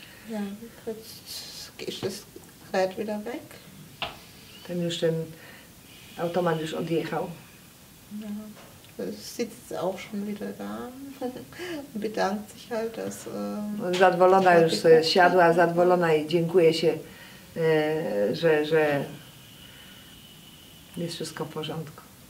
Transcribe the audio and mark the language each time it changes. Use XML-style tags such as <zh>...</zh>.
<de>Ja, jetzt geht wieder weg.</de> <pl>Ten już ten automat już odjechał.</pl> <de>Sitzt auch schon wieder da. Bedankt sich halt, dass.</de> <pl>Zadowolona już sobie siadła, zadowolona i dziękuję się, że jest wszystko w porządku.</pl>